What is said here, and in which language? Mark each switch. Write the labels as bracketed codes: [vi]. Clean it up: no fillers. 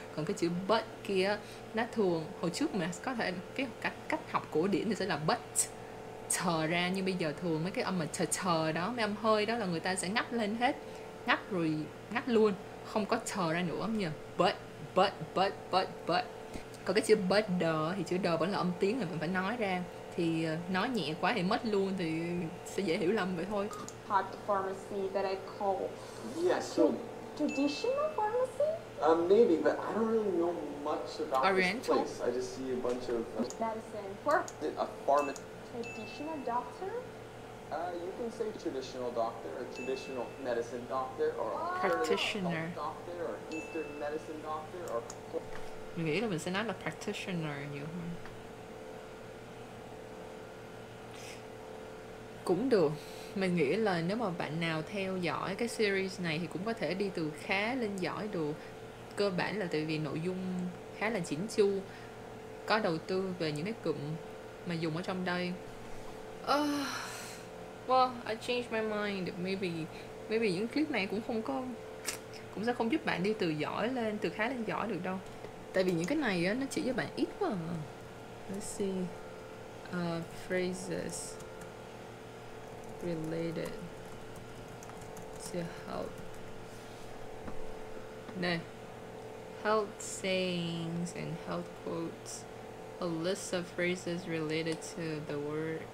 [vi] Còn cái chữ but kia, nó thường, hồi trước mình có thể cái cách học cổ điển thì sẽ là but thờ ra, nhưng bây giờ thường mấy cái âm mà thờ đó, mấy âm hơi đó là người ta sẽ ngắt lên hết. Ngắt rồi, ngắt luôn, không có thờ ra nữa, như but. Còn cái chữ but đờ thì chữ đờ vẫn là âm tiếng, thì mình phải nói ra. Thì nói nhẹ quá thì mất luôn, thì sẽ dễ hiểu lầm vậy thôi. [en] Part the pharmacy that I call. Yes. Traditional pharmacy? Maybe, but I don't really know much about Oriental. This place. I just see a bunch of... medicine. For? A pharmacy. Traditional doctor? You can say traditional doctor, or traditional medicine doctor, or... practitioner. Doctor, or Eastern medicine doctor, or... [vi] Mình nghĩ là mình sẽ nói là practitioner nhiều hơn. Cũng được. Mình nghĩ là nếu mà bạn nào theo dõi cái series này thì cũng có thể đi từ khá lên giỏi được. Cơ bản là tại vì nội dung khá là chỉnh chu, có đầu tư về những cái cụm mà dùng ở trong đây. [en] Well, I changed my mind. Maybe [vi] những clip này cũng không có, cũng sẽ không giúp bạn đi từ giỏi lên, từ khá lên giỏi được đâu. Tại vì những cái này á, nó chỉ cho bạn ít quá. [en] Let's see. Phrases related to health. No. Health sayings and health quotes. A list of phrases related to the word.